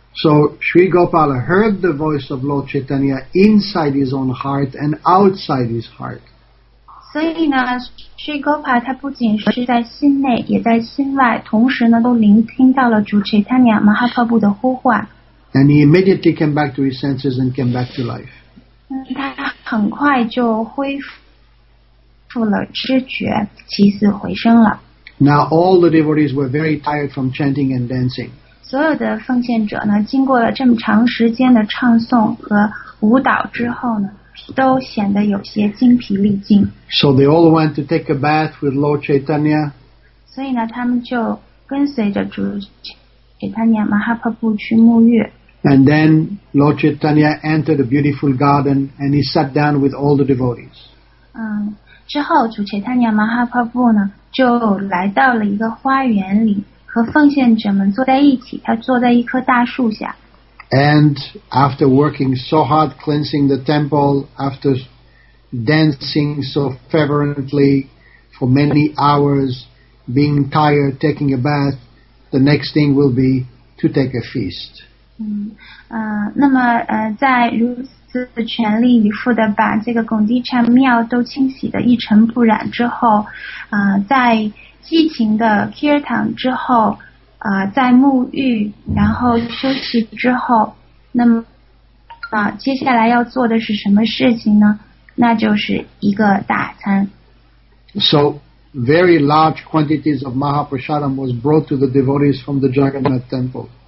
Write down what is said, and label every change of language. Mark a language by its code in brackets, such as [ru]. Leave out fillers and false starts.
[en] So Sri Gopal heard the voice of Lord Chaitanya inside his own heart and outside his heart. [zh] 所以呢 Sri Gopal 他不仅是在心内也在心外同时呢都聆听到了主 Chaitanya Mahaprabhu 的呼唤。 [en] And he immediately came back to his senses and came back to life. [zh] 他很快就恢复了知觉起死回生了。 [en] Now all the devotees were very tired from chanting and dancing. [zh] 所有的奉献者呢经过了这么长时间的唱诵和舞蹈之后呢都显得有些精疲力尽 [en] So they all went to take a bath with Lord Chaitanya [zh] 所以呢他们就跟随着主 Chaitanya Mahaprabhu 去沐浴 [en] And then Lord Chaitanya entered a beautiful garden and he sat down with all the devotees [zh] 之后主 Chaitanya Mahaprabhu 呢就来到了一个花园里和奉献者们坐在一起他坐在一棵大树下 [en] and after working so hard cleansing the temple after dancing so fervently for many hours being tired taking a bath the next thing will be to take a feast [zh] 那么在如此全力以赴的把这个拱地禅庙都清洗的一尘不染之后在激情的 Kirtan 之后在沐浴然后休息之后那么接下来要做的是什么事情呢那就是一个大餐 [en] So very large quantities of Mahaprasadam was brought to the devotees from the Jagannath temple